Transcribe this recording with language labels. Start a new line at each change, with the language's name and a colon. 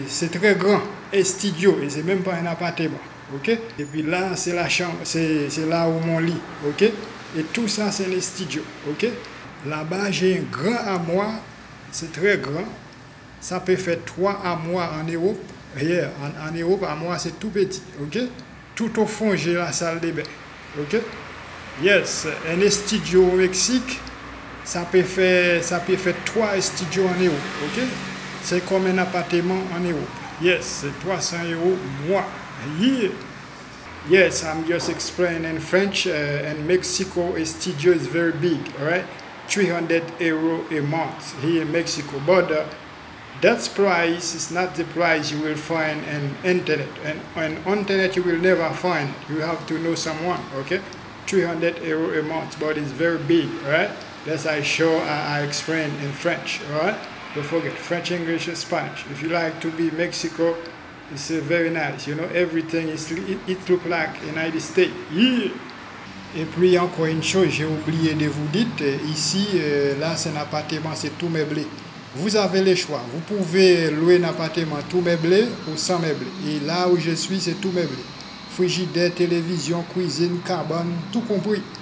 French: très grand, et studio, et c'est même pas un appartement, ok, et puis là c'est la chambre, c'est là où mon lit, ok, et tout ça c'est le studio, ok, là-bas j'ai un grand armoire, c'est très grand, ça peut faire 3 armoires en Europe, en Europe, armoire c'est tout petit, ok, tout au fond j'ai la salle de bain, ok. Yes, un studio au Mexique, ça peut faire 3 studios en Europe, ok? C'est comme un appartement en Europe. Yes, c'est 300 euros mois. Yeah.
English: Yes, I'm just explaining in French, in Mexico, a studio is very big, right? 300 euros a month here in Mexico. But that price is not the price you will find on internet. And on internet you will never find. You have to know someone, ok? 300 euros a month, but it's very big, right? That's how I explain in French, right? Don't forget, French, English, and Spanish. If you like to be Mexico, it's very nice. You know, everything is, it look like United States. Yeah.
French: Et puis, encore une chose, j'ai oublié de vous dire, ici, là, c'est un appartement, c'est tout meublé. Vous avez le choix. Vous pouvez louer un appartement tout meublé ou sans meublé. Et là où je suis, c'est tout meublé. Frigidaire, télévision, cuisine, cabane, tout compris.